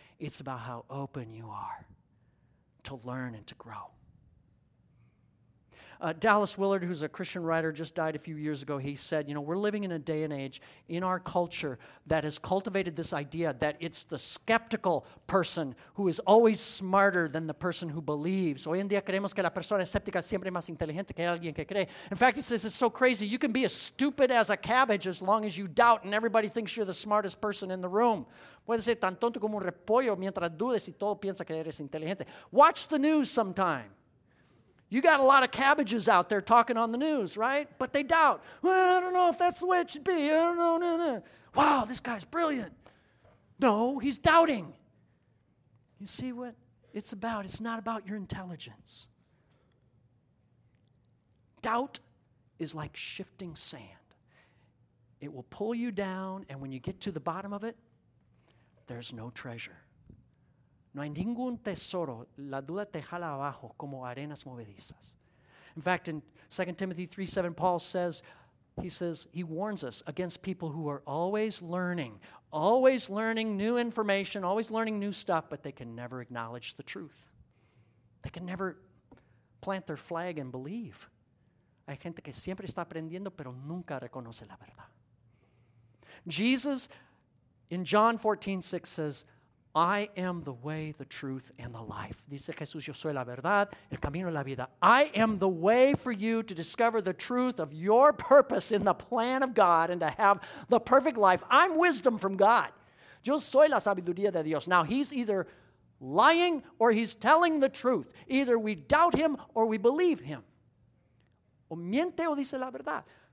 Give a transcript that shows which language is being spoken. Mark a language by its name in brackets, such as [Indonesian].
[English] It's about how open you are to learn and to grow. Dallas Willard, who's a Christian writer, just died a few years ago. He said, you know, we're living in a day and age in our culture that has cultivated this idea that it's the skeptical person who is always smarter than the person who believes. [Spanish] Hoy en día creemos que la persona escéptica es siempre más inteligente que alguien que cree. [English] In fact, he says, it's so crazy. You can be as stupid as a cabbage as long as you doubt and everybody thinks you're the smartest person in the room. [Spanish] Puede ser tan tonto como un repollo mientras dudes y todo piensa que eres inteligente. [English] Watch the news sometime. You got a lot of cabbages out there talking on the news, right? But they doubt. Well, I don't know if that's the way it should be. I don't know. Nah, nah. Wow, this guy's brilliant. No, he's doubting. You see what it's about? It's not about your intelligence. Doubt is like shifting sand. It will pull you down, and when you get to the bottom of it, there's no treasure. [Spanish] No hay ningún tesoro. La duda te jala abajo como arenas movedizas. [English] In fact, in 2 Timothy 3:7, Paul says, he warns us against people who are always learning new information, always learning new stuff, but they can never acknowledge the truth. They can never plant their flag and believe. [Spanish] Hay gente que siempre está aprendiendo, pero nunca reconoce la verdad. [English] Jesus, in John 14:6, says, I am the way, the truth, and the life. [Spanish] Dice Jesús, yo soy la verdad, el camino y la vida. [English] I am the way for you to discover the truth of your purpose in the plan of God and to have the perfect life. I'm wisdom from God. [Spanish] Yo soy la sabiduría de Dios. [English] Now, he's either lying or he's telling the truth. Either we doubt him or we believe him. [Spanish] O miente o dice la verdad.